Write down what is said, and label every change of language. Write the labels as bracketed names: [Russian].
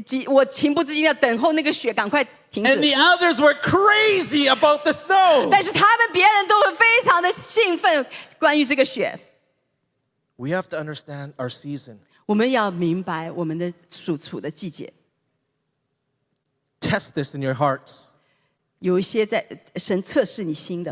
[Chinese] 我情不自禁地等候那个雪赶快停止。 [English] And the others were crazy about the snow. [Chinese] 但是他们别人都非常的兴奋关于这个雪。 [English] We have to understand our season. [Chinese] 我们要明白我们的所处的季节。 [English] Test this in your hearts. [Chinese] 有一些在神测试你心的。